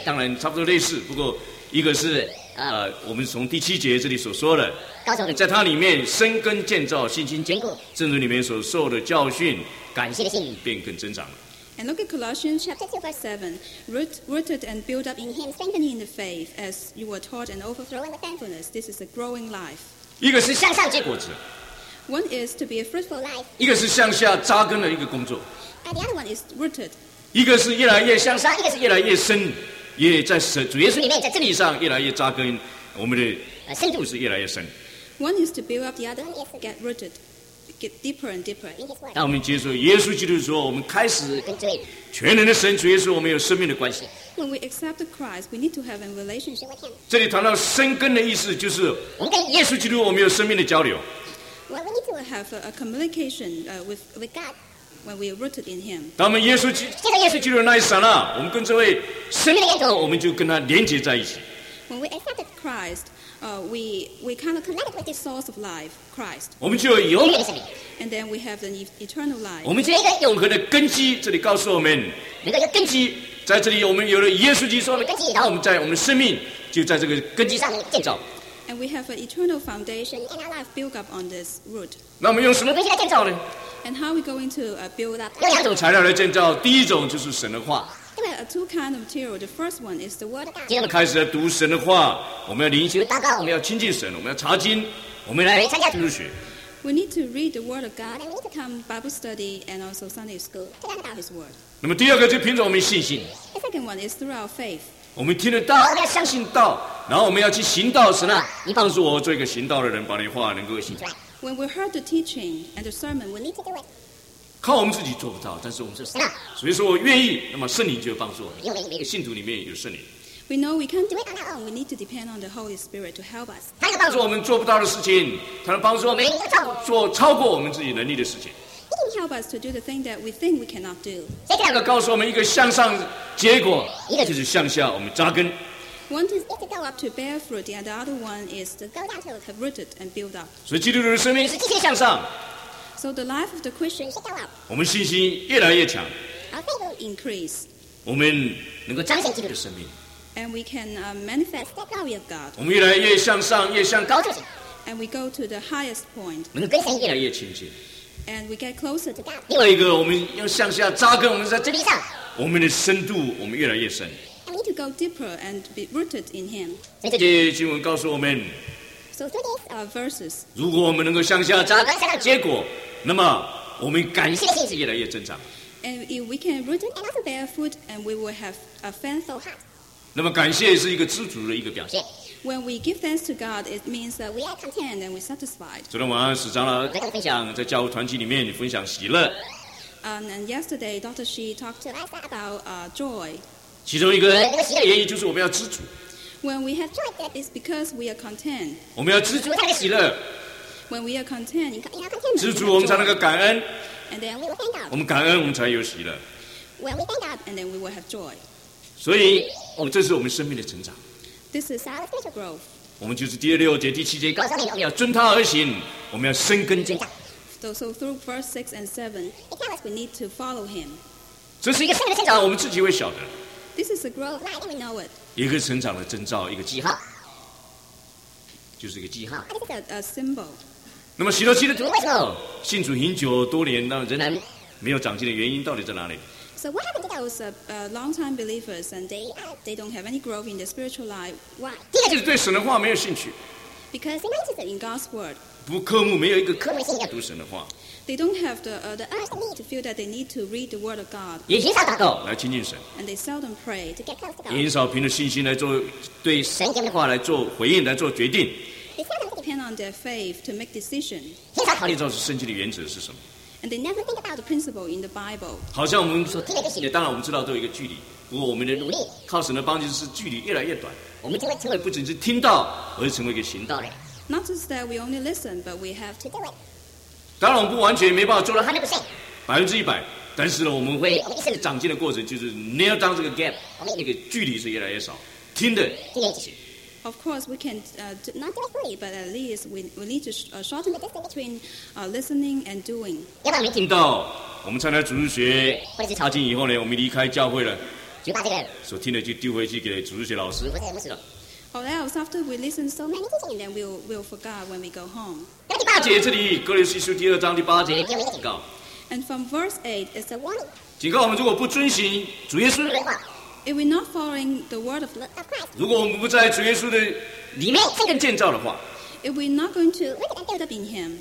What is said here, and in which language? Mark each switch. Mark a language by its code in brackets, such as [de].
[zh] 当然差不多类似，不过一个是我们从第七节这里所说的，在他里面生根建造，信心坚固，正如里面所受的教训，感谢的信便更增长了。 [en] And look at Colossians chapter 2 verse 7, rooted and built up in him, strengthening in the faith as you were taught and overflowing with thankfulness. This is a growing life. [zh] 一个是向上结果子。 [en] One is to be a fruitful life. [zh] 一个是向下扎根的一个工作。 [en] And the other one is rooted. [zh] 一个是越来越向上，一个是越来越深。也在神主耶稣里面，在真理上越来越扎根，我们的深度是越来越深。 [en] One is to build up the other, get rooted, get deeper and deeper. [zh] 当我们接受耶稣基督的时候，我们开始全能的神主耶稣，我们有生命的关系。 [en] When we accept Christ, we need to have a relationship with Him. [zh] 这里谈到生根的意思，就是我们跟耶稣基督，我们有生命的交流。 [en] Well, we need to have a communication with God. When we are rooted in Him, [zh] 当我们耶稣接受耶稣基督的那一刹那，我们跟这位生命的源头，我们就跟他连接在一起。 [en] When we accepted Christ, we kind of connected with the source of life, Christ. [zh] 我们就有永远的生命。 [en] And then we have the eternal life. [zh] 我们就有一个永恒的根基。这里告诉我们，能够有根基，在这里我们有了耶稣基督的根基，然后我们在我们的生命就在这个根基上建造。 [en] And we have an eternal foundation in our life built up on this root. [zh] 那我们用什么根基来建造呢？ [en] And how are we going to build up? [zh] 用两种材料来建造。第一种就是神的话。 [en] Two kinds of material. The first one is the word. [zh] 今天我们开始来读神的话。我们要灵修祷告，我们要亲近神，我们要查经，我们来参加主日学。 [en] We need to read the word of God. And we need to come Bible study and also Sunday school to learn about His word. [zh] 那么第二个就凭着我们信心。 [en] The second one is through our faith. [zh] 我们听得到，我们要相信道，然后我们要去行道。神啊，你帮助我做一个行道的人，把你话能够行出来。 [en] When we heard the teaching and the sermon, we need to do it. [zh] 靠我们自己做不到，但是我们是神啊，所以说我愿意，那么圣灵就帮助我们。信徒里面有圣灵。 [en] We know we can't do it on our own. We need to depend on the Holy Spirit to help us. [zh] 他能帮助我们做不到的事情，他能帮助我们做超过我们自己能力的事情。 [en] He can help us to do the thing that we think we cannot do. [zh] 这两个告诉我们一个向上结果，一个就是向下我们扎根。 [en] One is to go up to bear fruit, and the other one is to go down to have rooted and build up. [zh] 所以基督徒的生命是积极向上。 [en] So the life of the Christian is to go up. [zh] 我们信心越来越强。 [en] Our faith will increase. [zh] 我们能够彰显基督的生命。 [en] And we can manifest the glory of God. [zh] 我们越来越向上，越向高处去。 [en] And we go to the highest point. [zh] 能够跟神越来越亲近。 [en] And we get closer to God. [zh] 另外一个，我们要向下扎根，我们在真理上，我们的深度，我们越来越深。 [en] We need to go deeper and be rooted in Him. [zh] 这些经文告诉我们 [en] ，So through these verses, [zh] 如果我们能够向下扎根，向下结果，那么我们感谢的心是越来越增长。 [en] And if we can root and also bear fruit, and we will have a thankful heart. [zh] 那么感谢是一个知足的一个表现。 [en] When we give thanks to God, it means that we are content and we're satisfied. [zh] 昨天晚上史长老跟我们分享，在教会团契里面分享喜乐。 [en] And yesterday, Dr. Shi talked to us about joy. [zh] 其中一个原因就是我们要知足。 [en] When we have joy, that is because we are content. [zh] 我们要知足才能喜乐。 [en] When we are content, in our contentment, [zh] 知足我们才能够感恩。 [en] And then we will thank God. [zh] 我们感恩，我们才有喜乐。 [en] When we thank God, and then we will have joy. [zh] 所以，我们这是我们生命的成长。 [en] This is our spiritual growth. [zh] 我们就是第六节、第七节告诉我们要遵他而行，我们要生根建造。 [en] So through verse 6 and 7, it tells us we need to follow Him. [zh] 这是一个生命的成长，我们自己会晓得。 [en] This is a growth line, and we know it. [zh] 一个成长的征兆，一个记号，就是一个记号。 [en] It is a symbol. [zh] 那么许多基督徒为什么信主很久多年，那仍然没有长进的原因到底在哪里 [en] ？So what happened to those long-time believers, and they don't have any growth in their spiritual life? Why? [zh] 第一个就是对神的话没有兴趣。 [en] Because in God's word, [zh] 不科目没有一个科目性的读神的话。 [en] They don't have the understanding to feel that they need to read the word of God. [zh] 也很少祷告来亲近神。 [en] And they seldom pray to get close to God. [zh] 也很少凭着信心来做对神的话来做回应来做决定。 [en] They seldom depend on their faith to make decisions. [zh] 很少考虑到圣经的原则是什么。 [en] And they never think about the principle in the Bible. [zh] 好像我们说听了就行了。当然我们知道都有一个距离，不过我们的努力靠神的帮助是距离越来越短。我们成为不仅是听到，而是成为一个行道人。 [en] Not just that we only listen, but we have to do it. [zh] 当然，我们不完全没办法做到 100%，百分之一百。但是呢，我们会长进的过程就是 [en] nail down [zh] 这个 gap， 那个距离是越来越少，听的。 [en] Of course, we can not do it fully, but at least we need to shorten the distance between listening and doing. [zh] 要不然没听到，我们参加主日学，查经以后呢，我们离开教会了。就把这个所听的就丢回去给主日学老师。 [en] Or else, after we listen so many teaching, then we'll forget when we go home. [zh] 第八节这里，哥林西书第二章第八节警告。 [en] And from verse 8, it's a warning. [zh] 警告我们，如果不遵循主耶稣的话 [en] ，if we're not following the word of Christ， [zh] 如果我们不在主耶稣的里面生根建造的话 [en] ，if we're not going to live and build up in Him，